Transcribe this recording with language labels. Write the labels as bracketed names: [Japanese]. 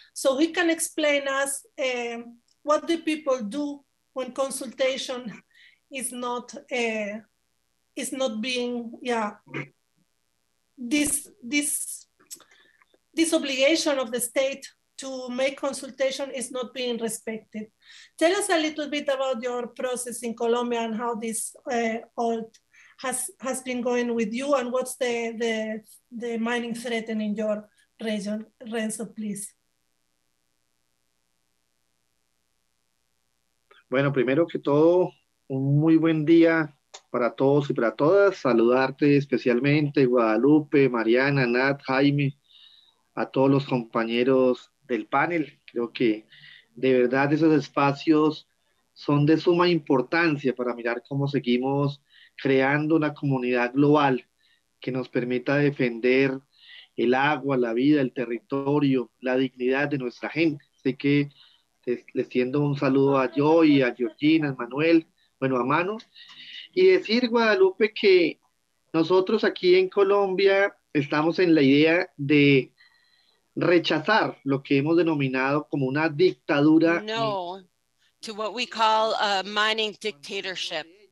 [English] So he can explain us what do people do when consultation is not being this obligation of the state to make consultation is not being respected. Tell us a little bit about your process in Colombia and how this has been going with you, and what's the mining threat in your region, Renzo, please. [Spanish] Bueno, primero que todo, un muy buen día para todos y para todas. Saludarte especialmente, Guadalupe, Mariana, Nat, Jaime, a todos los compañeros del panel. Creo que de verdad esos espacios son de suma importancia para mirar cómo seguimos creando una comunidad global que nos permita defender el agua, la vida, el territorio, la dignidad de nuestra gente. Así que les tiendo un saludo a Joy, a Georgina, a Manuel, bueno, a Manu. Y decir, Guadalupe, que nosotros aquí en Colombia estamos en la idea de rechazar lo que hemos denominado como una dictadura. [English] No, to what we call a mining dictatorship.